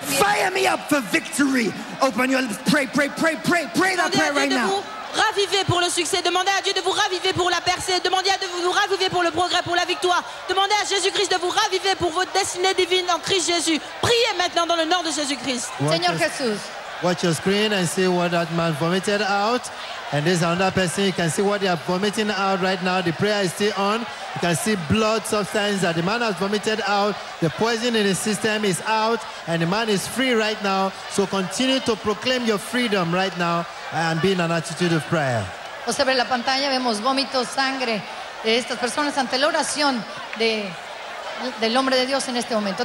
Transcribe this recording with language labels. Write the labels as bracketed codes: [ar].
[en] Fire me up for victory. Open your lips. Pray that prayer right now. [fr] Ravivez pour le succès. Demandez à Dieu de vous raviver pour la percée. Demandez à Dieu de vous raviver pour le progrès, pour la victoire. Demandez à Jésus-Christ de vous raviver pour votre destinée divine en Christ Jésus. Priez maintenant dans le nom de Jésus-Christ. Seigneur Jésus. [en] Watch your screen and see what that man vomited out. And this another person, you can see what they are vomiting out right now. The prayer is still on. You can see blood substance that the man has vomited out. The poison in his system is out. And the man is free right now. So continue to proclaim your freedom right now and be in an attitude of prayer. [es] O sea, la pantalla vemos vómitos, sangre de estas personas ante la oración del hombre de Dios en este momento.